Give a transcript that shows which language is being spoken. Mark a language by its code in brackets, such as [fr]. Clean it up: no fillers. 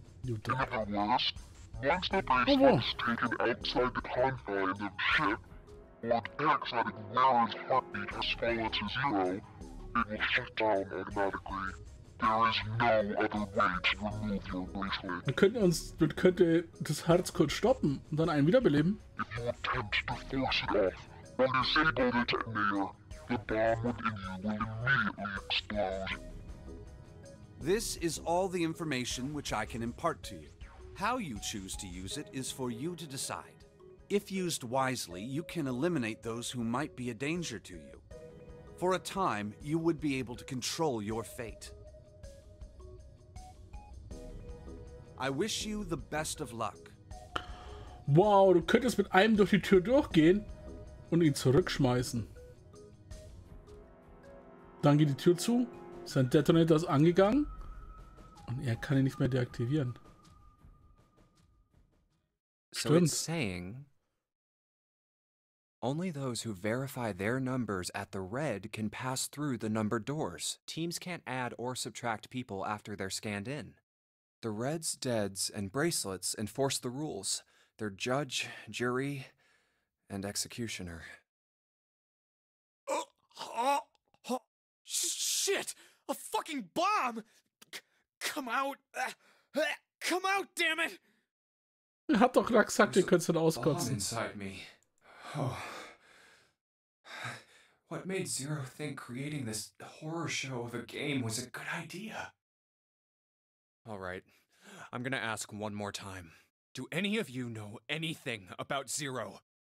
[en] In other words, once the bracelet is taken outside the confines of the ship, or detects that Mara's heartbeat has fallen to zero, it will shut down automatically. There is no other way to remove your bracelet. [de] Könnte das Herz kurz stoppen und dann einen wiederbeleben? [en] If you attempt to force it off, or disable the detonator, the bomb within you will immediately explode. This is all the information which I can impart to you. How you choose to use it is for you to decide. If used wisely, you can eliminate those who might be a danger to you. For a time, you would be able to control your fate. I wish you the best of luck. [de] Wow, du könntest mit einem durch die Tür durchgehen und ihn zurückschmeißen. Dann geht die Tür zu, sein Detonator ist angegangen und er kann ihn nicht mehr deaktivieren. Stimmt. [en] So it's saying, only those who verify their numbers at the red can pass through the numbered doors. Teams can't add or subtract people after they're scanned in. The reds, deads, and bracelets enforce the rules. They're judge, jury, and executioner. Shit! A fucking bomb! Come out! Come out, damn it! [de] Er hat doch gesagt, ihr könnt's dann auskotzen. [en] Inside me. Oh. What made Zero think creating this horror show of a game was a good idea? All right. I'm gonna ask one more time. Do any of you know anything about Zero?